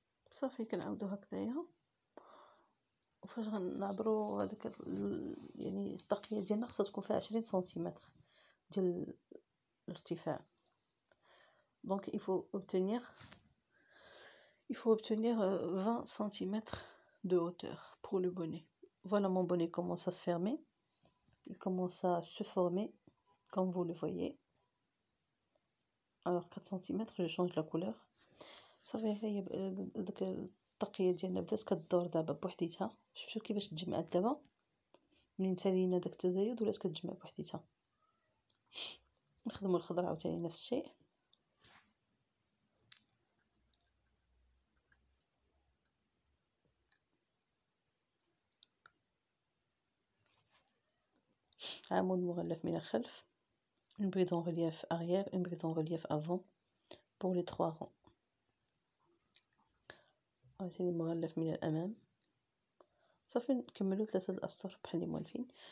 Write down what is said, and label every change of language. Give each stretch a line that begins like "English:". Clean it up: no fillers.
Arabic: صافي كنعاودو هكذايا. وفاش غنعبرو هذاك يعني التقليه ديالنا خاصها تكون فيها 20 سنتيمتر ديال الارتفاع.
French: Donc il faut obtenir 20 cm de hauteur pour le bonnet. Voilà, mon bonnet commence à se fermer. Il commence à se former, comme vous le voyez. Alors 4 cm, je change la couleur. Ça va être le taqiya
Arabic: ديالنا بدات كدور دابا بوحديتها. شوفوا كيفاش تجمعات دابا من سالينا داك التزايد ولات كتجمع بوحديتها. نخدموا الخضر عاوتاني نفس الشيء. عمود مغلف من الخلف،
French: une bride en relief arrière, une bride en relief avant pour les 3 rangs.
Arabic: مغلف من الامام. صافي نكملوا ثلاثه الاسطر بحال اللي موالفين.